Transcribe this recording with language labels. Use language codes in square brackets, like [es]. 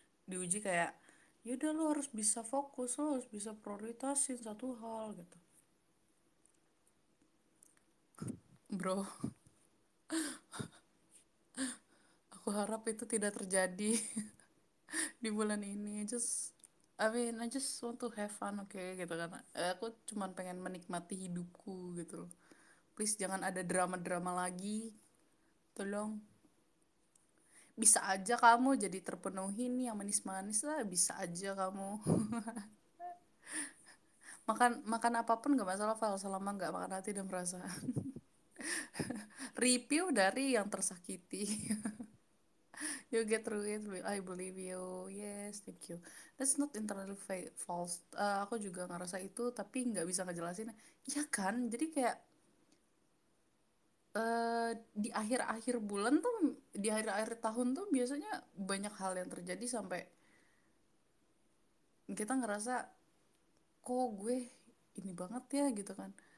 [id] Diuji kayak ya udah, lo harus bisa fokus, lo harus bisa prioritasin satu hal gitu. Bro, aku harap itu tidak terjadi di bulan ini. [en] I just want to have fun, okay? [id] Gitu kan. Aku cuma pengen menikmati hidupku gitu loh. Please jangan ada drama-drama lagi. Tolong. Bisa aja kamu jadi terpenuhi nih yang manis-manis lah. Bisa aja kamu. Makan makan apapun gak masalah, Val, selama gak makan hati dan merasa. Review dari yang tersakiti. [en] You get through it, I believe you. Yes, thank you. That's not entirely false. [id] Aku juga ngerasa itu, tapi nggak bisa ngejelasin. Ya kan? Jadi kayak di akhir-akhir bulan tuh, di akhir-akhir tahun tuh biasanya banyak hal yang terjadi sampai kita ngerasa kok gue ini banget ya gitu kan.